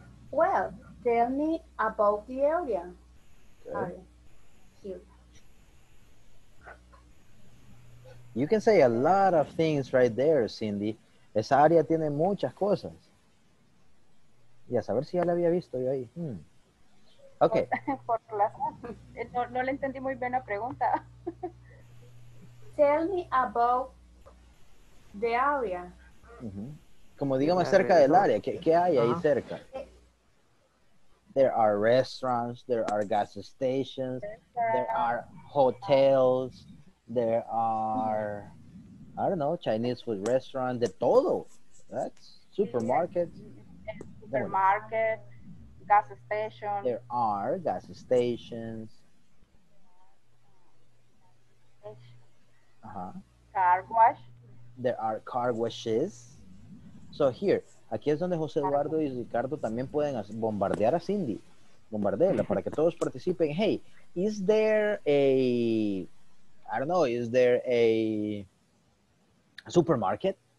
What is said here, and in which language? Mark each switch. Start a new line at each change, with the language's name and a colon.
English: Well, tell me about the area. Okay. Here. You can say a lot of things right there, Cindy.
Spanish: Esa área tiene muchas cosas. Y a saber si ya la había visto yo ahí.
English: Okay.
Spanish: No le entendí muy bien la pregunta.
English: Tell me about the area.
Spanish: Como digamos cerca del área, ¿qué hay ahí cerca?
English: There are restaurants, there are gas stations, there are hotels, there are, I don't know, Chinese food restaurants,
Spanish: de todo.
English: That's supermarket. Supermarket, gas station. There are gas stations. Car wash. There are car washes. So here,
Spanish: aquí es donde José Eduardo y Ricardo también pueden bombardear a Cindy. Bombardearla para que todos participen.
English: Hey, is there a, I don't know, is there a supermarket?